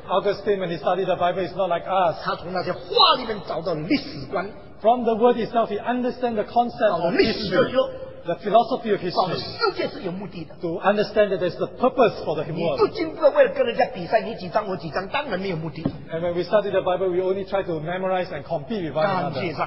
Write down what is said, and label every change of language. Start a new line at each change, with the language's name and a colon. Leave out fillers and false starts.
English: Augustine, when he studied the Bible, is not like us.
Chinese: 他从那些话里面找到历史观,
English: from the word itself, he understands the concept of history. The philosophy of history. To understand that there's the purpose for the human world. And when we study the Bible, we only try to memorize and compete with one another.